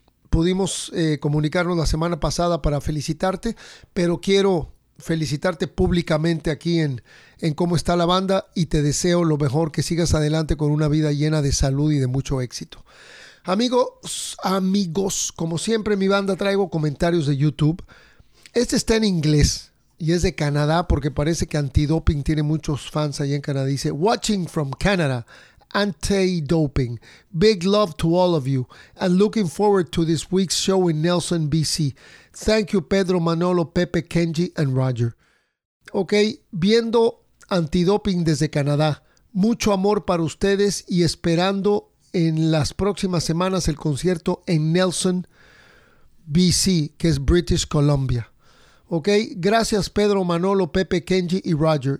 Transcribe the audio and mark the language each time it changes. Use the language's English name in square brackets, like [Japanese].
[Spanish] Pudimos comunicarnos la semana pasada para felicitarte, pero quiero felicitarte públicamente aquí en Cómo Está la Banda y te deseo lo mejor, que sigas adelante con una vida llena de salud y de mucho éxito. Amigos, amigos, como siempre en mi banda traigo comentarios de YouTube. Este está en inglés y es de Canadá porque parece que Antidoping tiene muchos fans allá en Canadá. Dice, [English] watching from Canada, Antidoping, big love to all of you and looking forward to this week's show in Nelson, BC. Thank you, Pedro, Manolo, Pepe, Kenji and Roger. [Spanish] Ok, viendo Antidoping desde Canadá, mucho amor para ustedes y esperando en las próximas semanas el concierto en Nelson, BC, que es British Columbia. Ok, gracias Pedro, Manolo, Pepe, Kenji y Roger.